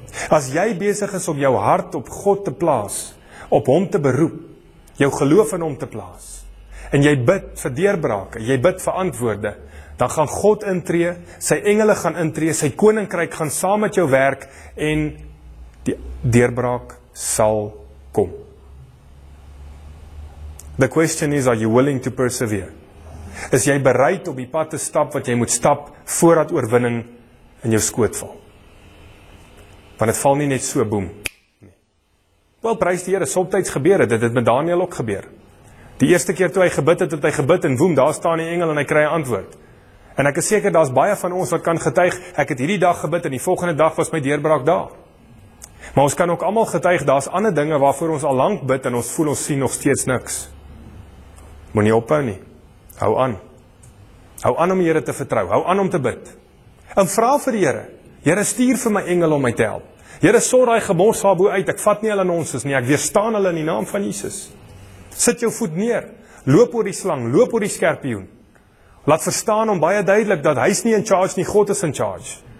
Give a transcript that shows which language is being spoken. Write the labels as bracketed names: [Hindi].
[Afrikaans] As jy besig is om jou hart op God te plaas, op hom te beroep, jou geloof in hom te plaas, en jy bid vir deurbrake, jy bid vir antwoorde, dan gaan God intree, sy engele gaan intree, sy koninkryk gaan saam met jou werk, en die deurbraak sal kom. [English] The question is, are you willing to persevere? [Afrikaans] Is jy bereid op die pad te stap wat jy moet stap, voordat oorwinning in jou skoot val? Want het val nie net so, boom. Wel, prys die Here, soms gebeur het, dit het met Daniel ook gebeur. Die eerste keer toe hy gebid het, het hy gebid en woem, daar staan die engel en hy kry 'n antwoord. En ek is seker, daar is baie van ons wat kan getuig, ek het hierdie dag gebid en die volgende dag was my deurbraak daar. Maar ons kan ook allemaal getuig, daar is ander dinge waarvoor ons al lang bid en ons voel ons sien nog steeds niks. Moet nie ophou nie, hou aan. Hou aan om die Here te vertrou, hou aan om te bid. En vra vir die Here, Here stuur vir my engel om my te help. Here sorg daai gemors daarbo uit, ek vat nie hulle nonsens nie, ek weerstaan hulle in die naam van Jesus. Sit jou voet neer, loop oor die slang, loop oor die skerpioen. Laat verstaan hom baie duidelik dat hy is nie in charge nie, God is in charge.